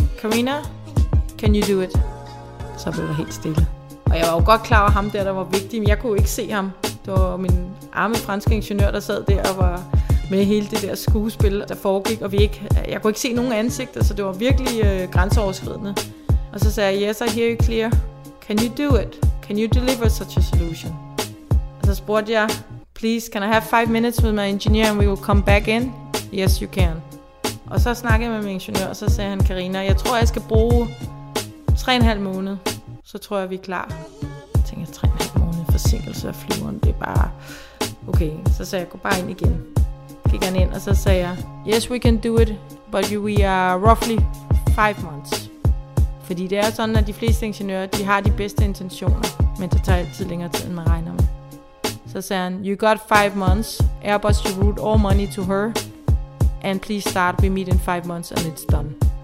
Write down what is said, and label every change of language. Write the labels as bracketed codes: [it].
[da] Carina, [en] can you do it? [da] Så blev der helt stille. Og jeg var jo godt klar over ham der var vigtig, men jeg kunne ikke se ham. Det var min arme franske ingeniør, der sad der og var med hele det der skuespil, der foregik. Og jeg kunne ikke se nogen ansigter, så det var virkelig grænseoverskridende. Og så sagde jeg, [en] yes, I hear you clear. Can you do it? Can you deliver such a solution? [da] Og så spurgte jeg, [en] please, can I have 5 minutes with my engineer, and we will come back in? Yes, you can. [da] Og så snakkede jeg med min ingeniør, og så sagde han, Carina, jeg tror, jeg skal bruge 3,5 måneder. Så tror jeg, vi er klar. Jeg tænkte, 3,5 måneder forsinkelse af flyveren, det er bare okay. Så sagde jeg, gå bare ind igen. Gik han ind, og så sagde jeg, [en] yes, we can do it, but we are roughly 5 months. [da] Fordi det er sådan, at de fleste ingeniører, de har de bedste intentioner, men det tager altid længere tid, end man regner med. Så sagde han, [en] you got 5 months, Airbus should route all money to her, and please start, we meet in 5 months, and it's done.